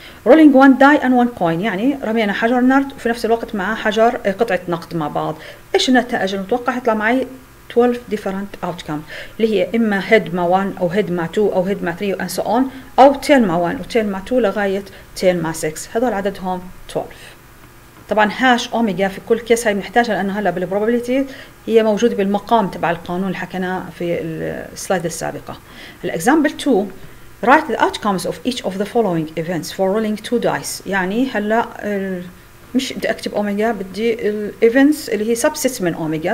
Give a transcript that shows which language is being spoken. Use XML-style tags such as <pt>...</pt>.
<en>rolling one die and one coin،</en> <ar>يعني رمينا حجر نرد وفي نفس الوقت معه حجر قطعة نقد مع بعض، إيش النتائج المتوقعة حيطلع معي</ar> <en>12 different outcomes</en> <ar>اللي هي إما head مع 1 أو head مع 2 أو head مع 3</ar> <en>and so on</en> <ar>أو tail مع 1 و tail مع 2 لغاية tail مع 6. هذول عددهم 12. طبعا هاش أوميجا في كل كيس هاي بنحتاجها لأنه هلأ بالبروبابيليتي هي موجودة بالمقام تبع القانون اللي حكيناه في السلايد السابقة.</ar> <en>الإكزامبل 2، write the outcomes of each of the following events for rolling two dice.</en> <ar>يعني هلأ مش بدي أكتب أوميجا، بدي الـ events اللي هي subsets من أوميجا.</ar>